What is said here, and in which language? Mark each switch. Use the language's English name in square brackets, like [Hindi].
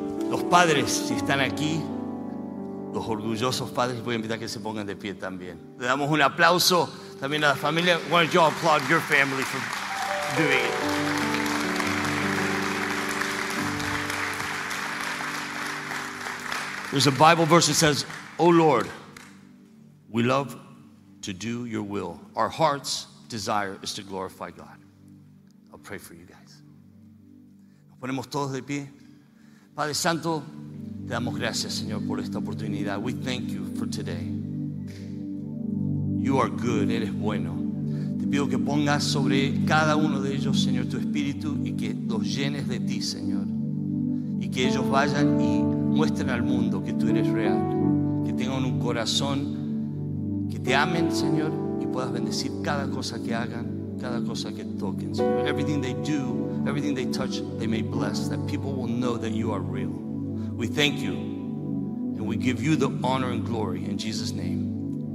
[Spanish] Los padres, si están aquí, los orgullosos padres, voy a invitar a que se pongan de pie también. Le damos un aplauso también a la familia. [English] Why don't you applaud your family for doing it? There's a Bible verse that says, oh Lord, we love to do your will. Our heart's desire is to glorify God. I'll pray for you guys. [Spanish] Nos ponemos todos de pie. Padre Santo, te damos gracias, Señor, por esta oportunidad. [English] We thank you for today. You are good, [Spanish] eres bueno. Te pido que pongas sobre cada uno de ellos, Señor, tu espíritu y que los llenes de ti, Señor. Y que ellos vayan y muestren al mundo que tú eres real. Que tengan un corazón, que te amen, Señor, y puedas bendecir cada cosa que hagan, cada cosa que toquen, Señor. [English] Everything they do, everything they touch, they may bless. That people will know that you are real. We thank you and we give you the honor and glory in Jesus' name.